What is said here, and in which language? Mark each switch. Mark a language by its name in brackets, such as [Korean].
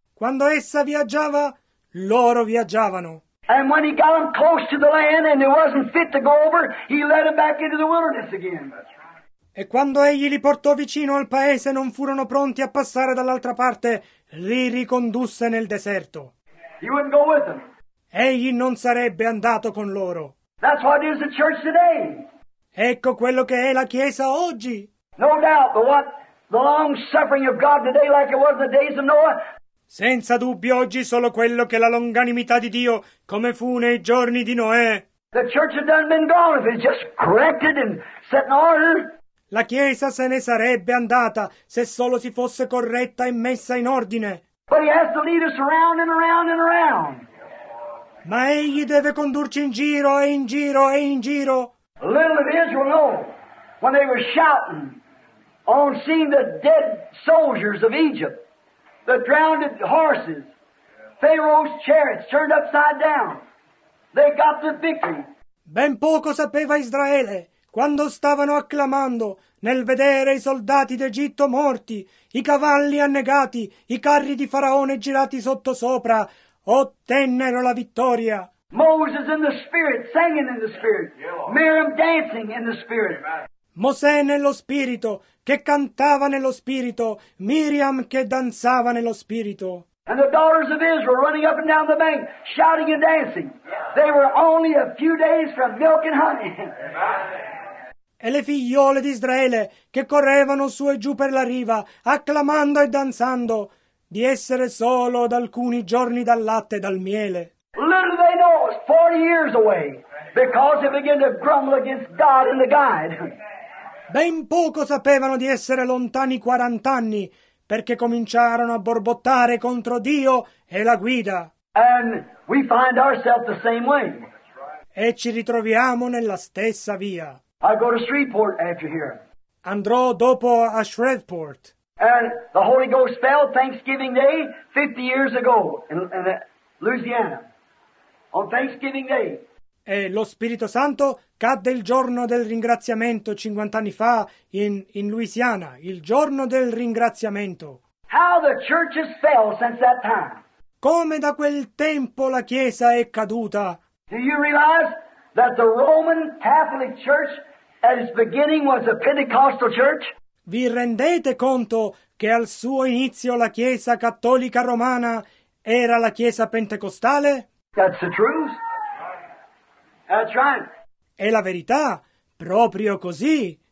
[Italian] Quando essa viaggiava, loro viaggiavano. [English] And when he got them close to the land and it wasn't fit to go over, he led them back into the wilderness again. [Italian] E quando egli li portò vicino al paese e non furono pronti a passare dall'altra parte, li ricondusse nel deserto. [English] He wouldn't go with them. [Italian] Egli non sarebbe andato con loro. [English] That's what is the church today. [Italian] Ecco quello che è la chiesa oggi. [English] No doubt, but what the long suffering of God today, like it was the days of Noah. [Italian] Senza dubbio oggi solo quello che la longanimità di Dio, come fu nei giorni di Noè. [English] The church had done been gone if it's just corrected and set in order. [Italian] La Chiesa se ne sarebbe andata se solo si fosse corretta e messa in ordine. [English] But he has to lead us around and around and around. [Italian] Ma egli deve condurci in giro e in giro e in giro. [English] Little did Israel know when they were shouting on seeing the dead soldiers of Egypt, the drowned horses, Pharaoh's chariots turned upside down. They got the victory. [Italian] Ben poco sapeva Israele quando stavano acclamando nel vedere i soldati d'Egitto morti, i cavalli annegati, i carri di Faraone girati sotto sopra, ottennero la vittoria. [English] Moses in the spirit, singing in the spirit. Miriam dancing in the spirit. [Italian] Mosè nello spirito, che cantava nello spirito, Miriam che danzava nello spirito. [English] And the daughters of Israel running up and down the bank, shouting and dancing. They were only a few days from milk and honey. [Italian] E le figliole di Israele che correvano su e giù per la riva, acclamando e danzando, di essere solo ad alcuni giorni dal latte e dal miele. [English] Little they know it was 40 years away, because they began to grumble against God and the guide. [Italian] Ben poco sapevano di essere lontani 40 anni, perché cominciarono a borbottare contro Dio e la guida. [English] And we find ourselves the same way. [Italian] E ci ritroviamo nella stessa via. [English] I'll go to Shreveport after here. [Italian] Andrò dopo a Shreveport. [English] And the Holy Ghost fell Thanksgiving Day 50 years ago in Louisiana. On Thanksgiving Day. [Italian] E lo Spirito Santo cadde il giorno del ringraziamento 50 anni fa in Louisiana. Il giorno del ringraziamento. [English] How the church has fell since that time. [Italian] Come da quel tempo la Chiesa è caduta. [English] Do you realize that the Roman Catholic Church at its beginning was a Pentecostal church? [Italian] Vi rendete conto che al suo inizio la Chiesa Cattolica Romana era la Chiesa Pentecostale? [English] That's the truth. That's right. [Italian] È la verità, proprio così.